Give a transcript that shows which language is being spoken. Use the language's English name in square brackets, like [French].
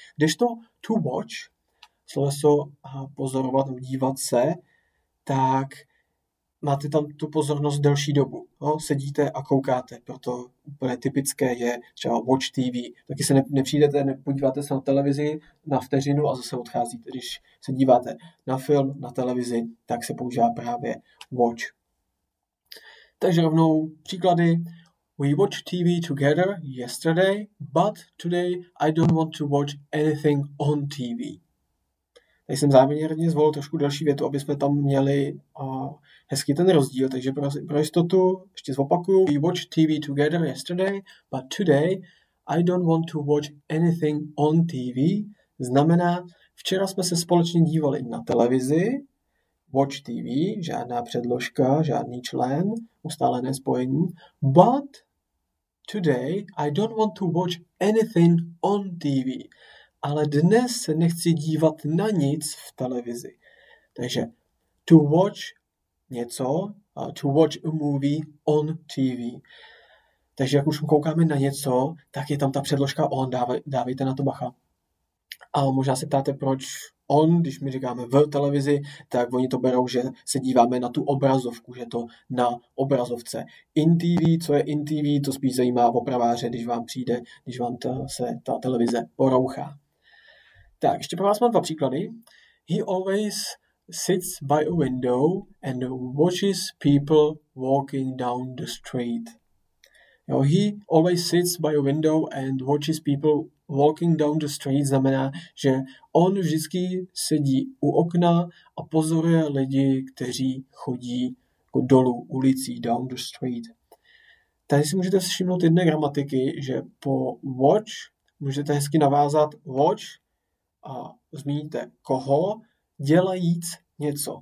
[Czech] Kdežto [English] to watch, [Czech] sloveso pozorovat, dívat se, tak máte tam tu pozornost delší dobu. No, sedíte a koukáte, proto úplně typické je třeba [English] watch TV. [Czech] Taky se nepřijdete, nepodíváte se na televizi na vteřinu a zase odcházíte. Když se díváte na film, na televizi, tak se používá právě watch. Takže rovnou příklady. [English] We watched TV together yesterday, but today I don't want to watch anything on TV. [Czech] Já jsem záměrně zvolil trošku další větu, aby jsme tam měli hezky ten rozdíl, takže pro jistotu ještě zopakuju. [English] We watched TV together yesterday, but today I don't want to watch anything on TV. [Czech] Znamená, včera jsme se společně dívali na televizi, [English] watch TV, [Czech] žádná předložka, žádný člen, ustálené spojení, [English] but today I don't want to watch anything on TV. [Czech] Ale dnes se nechci dívat na nic v televizi. Takže [English] to watch něco, to watch a movie on TV. [Czech] Takže jak už koukáme na něco, tak je tam ta předložka on, dávejte na to bacha. A možná se ptáte, proč on, když my říkáme v televizi, tak oni to berou, že se díváme na tu obrazovku, že to na obrazovce. [English] In TV, [Czech] co je in TV, to spíš zajímá opraváře, když vám přijde, když vám se ta televize porouchá. Tak, ještě pro vás mám dva příklady. [English] He always sits by a window and watches people walking down the street. [Czech] Jo, [English] he always sits by a window and watches people walking down the street. [Czech] Znamená, že on vždycky sedí u okna a pozoruje lidi, kteří chodí jako dolů ulicí, [English] down the street. [Czech] Tady si můžete všimnout jedné gramatiky, že po watch můžete hezky navázat watch a zmíníte koho, dělajíc něco.